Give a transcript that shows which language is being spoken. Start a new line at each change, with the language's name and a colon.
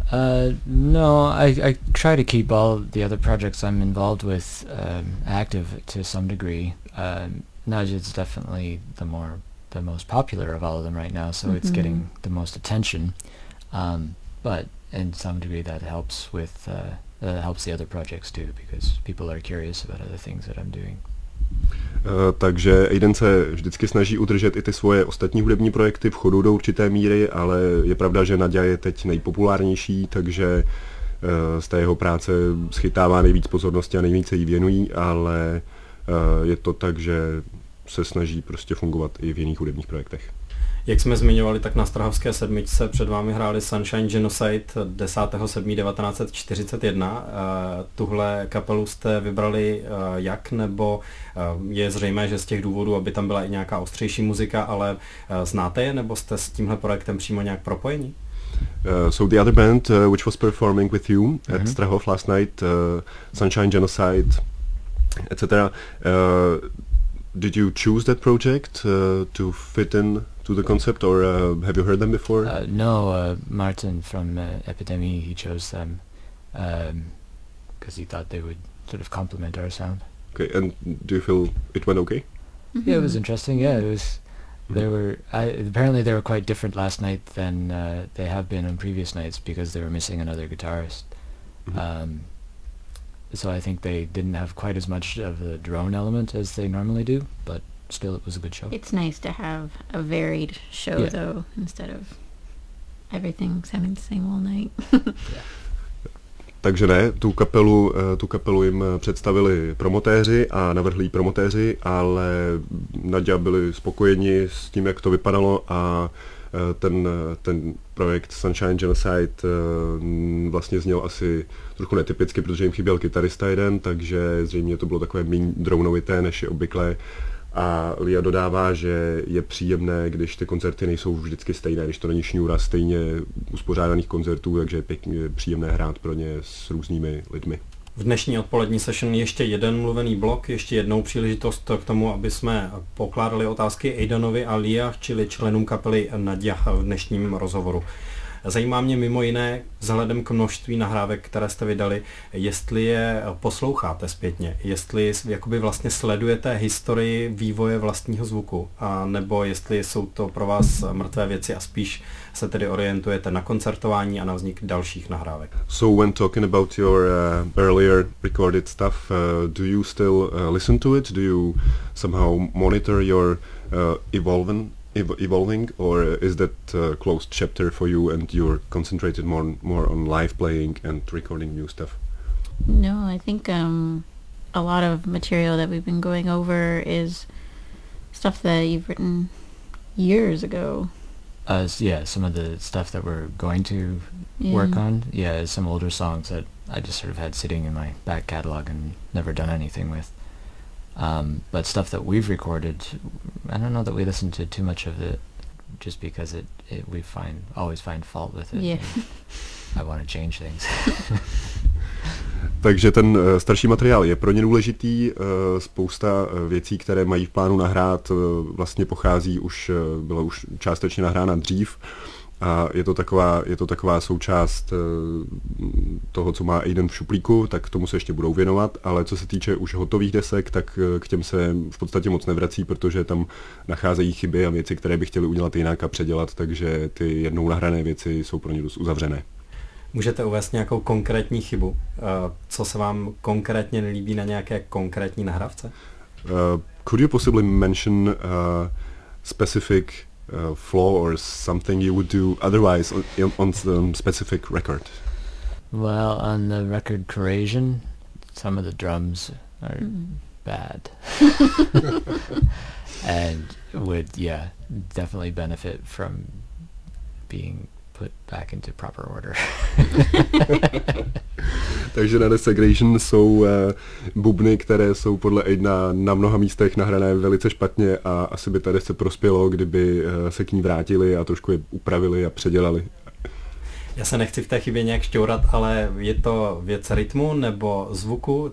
English: No, I try to keep all the other projects I'm involved with active to some degree. Nadia is definitely the most popular of all of them right now, so mm-hmm. it's getting the most attention. But in some degree, that helps with. Helps the other projects too, because people are curious about other things that I'm doing.
Czech: Takže Aiden se vždycky snaží udržet i ty svoje ostatní hudební projekty v chodu do určité míry, ale je pravda, že Nadia je teď nejpopulárnější, takže z té jeho práce schytává nejvíc pozornosti a nejvíce jí věnují, ale je to tak, že se snaží prostě fungovat i v jiných hudebních projektech. Jak jsme zmiňovali, tak na Strahovské sedmičce před vámi hráli Sunshine Genocide 10.7.1941. Tuhle kapelu jste vybrali jak, nebo je zřejmé, že z těch důvodů, aby tam byla i nějaká ostřejší muzika, ale znáte je, nebo jste s tímhle projektem přímo nějak propojeni?
English: So the other band, which was performing with you at mm-hmm. Strahov last night, Sunshine Genocide, etc. Did you choose that project to fit in to the concept, or have you heard them before? No, Martin from Epidemie, he chose them because he thought they would sort of complement our sound. Okay, and do you feel it went okay? Mm-hmm. Yeah, it was interesting. Yeah, it was. Mm-hmm. They were apparently quite different last night than they have been on previous nights, because they were missing another guitarist. Mm-hmm. So I think they didn't have quite as much of the drone element as they normally do, but still it was a good show. It's nice to have a varied show, yeah. though, instead of everything sounding the same all night.
Czech: Takže ne, tu kapelu jim představili promotéři a navrhli promotéři, ale Nadia byli spokojeni s tím, jak to vypadalo, a ten projekt Sunshine Genocide vlastně zněl asi trochu netypicky, protože jim chyběl kytarista jeden, takže zřejmě to bylo takové méně dronovité, než je obvykle. A Lia dodává, že je příjemné, když ty koncerty nejsou vždycky stejné, když to není šňůra stejně uspořádaných koncertů, takže je příjemné hrát pro ně s různými lidmi. V dnešní odpolední session ještě jeden mluvený blok, ještě jednou příležitost k tomu, aby jsme pokládali otázky Aidanovi a Lia, čili členům kapely Nadia v dnešním rozhovoru. Zajímá mě mimo jiné, vzhledem k množství nahrávek, které jste vydali, jestli je posloucháte zpětně, jestli jakoby vlastně sledujete historii vývoje vlastního zvuku, a nebo jestli jsou to pro vás mrtvé věci a spíš se tedy orientujete na koncertování a na vznik dalších nahrávek.
English: So when talking about your earlier recorded stuff, do you still listen to it? Do you somehow monitor your evolving, or is that a closed chapter for you and you're concentrated more on live playing and recording new stuff? No, I think a lot of material that we've been going over is stuff that you've written years ago. Some of the stuff that we're going to work on, is some older songs that I just sort of had sitting in my back catalog and never done anything with. But stuff that we've recorded, I don't know that we listen to too much of it, just because it we always find fault with it. Yeah. I want to change things.
Czech: Takže ten starší materiál je pro ně důležitý. Spousta věcí, které mají v plánu nahrát, vlastně pochází už, byla už částečně nahrána dřív. A je to taková součást toho, co má Aiden v šuplíku, tak tomu se ještě budou věnovat, ale co se týče už hotových desek, tak k těm se v podstatě moc nevrací, protože tam nacházejí chyby a věci, které by chtěli udělat jinak a předělat, takže ty jednou nahrané věci jsou pro ně dost uzavřené. můžete uvést nějakou konkrétní chybu? Co se vám konkrétně nelíbí na nějaké konkrétní nahrávce?
English: Could you possibly mention a specific flaw or something you would do otherwise on the specific record? Well, on the record Corrasion, some of the drums are bad. And would, yeah, definitely benefit from being put back into proper order.
Czech: Takže na Desecration jsou bubny, které jsou podle Aidena na mnoha místech nahrané velice špatně a asi by tady se prospělo, kdyby se k ní vrátili a trošku je upravili a předělali. Já se nechci v té chybě nějak šťourat, ale je to věc rytmu nebo zvuku?